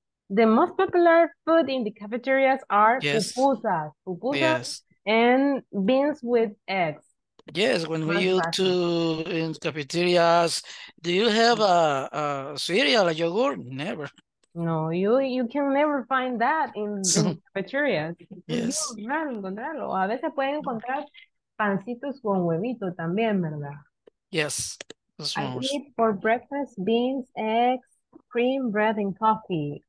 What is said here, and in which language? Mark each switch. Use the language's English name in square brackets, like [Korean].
[English] The most popular food in the cafeterias are pupusas and beans with eggs. Yes, when we used to in cafeterias, do you have a cereal, a yogurt? Never. No, you can never find that in cafeterias. Yes. [Spanish] No, no encontrarlo. A veces pueden encontrar pancitos con huevito también, ¿verdad? [English] Yes. I eat for breakfast beans, eggs, cream, bread, and coffee.